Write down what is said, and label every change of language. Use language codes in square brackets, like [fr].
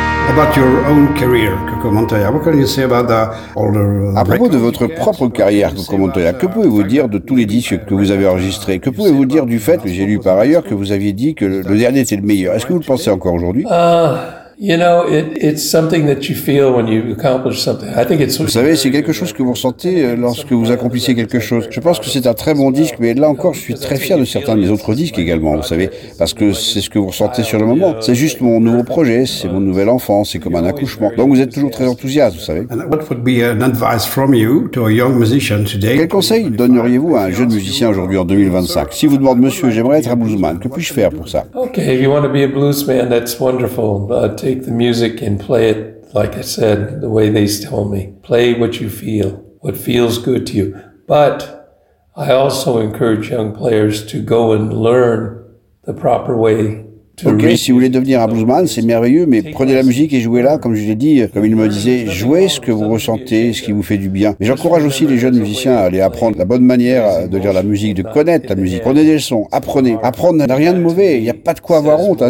[en] About your own career, Coco Montoya, what can you say about the older records? [fr] À propos de votre propre carrière, Coco Montoya, que pouvez-vous dire de tous les disques que vous avez enregistrés? Que pouvez-vous dire du fait, j'ai lu par ailleurs, que vous aviez dit que le dernier était le meilleur? Est-ce que vous le pensez encore aujourd'hui? Vous savez, c'est quelque chose que vous ressentez lorsque vous accomplissez quelque chose. Je pense que c'est un très bon disque, mais là encore, je suis très fier de certains de mes autres disques également, vous savez, parce que c'est ce que vous ressentez sur le moment. C'est juste mon nouveau projet, c'est mon nouvel enfant, c'est comme un accouchement. Donc vous êtes toujours très enthousiaste, vous savez. Quel conseil donneriez-vous à un jeune musicien aujourd'hui en 2025? Si vous demandez, monsieur, j'aimerais être un bluesman, que puis-je faire pour ça? Ok, si vous voulez être un bluesman, c'est [en] wonderful, but... Take the music and play it, like I said, the way they tell me. Play what you feel, what feels good to you. But I also encourage young players to go and learn the proper way. [fr] Ok, si vous voulez devenir un bluesman, c'est merveilleux, mais prenez la musique et jouez-la, comme je l'ai dit, comme il me disait, jouez ce que vous ressentez, ce qui vous fait du bien. Mais j'encourage aussi les jeunes musiciens à aller apprendre la bonne manière de lire la musique, de connaître la musique. Prenez des leçons, apprenez. Apprendre n'a rien de mauvais, il n'y a pas de quoi avoir honte. Hein.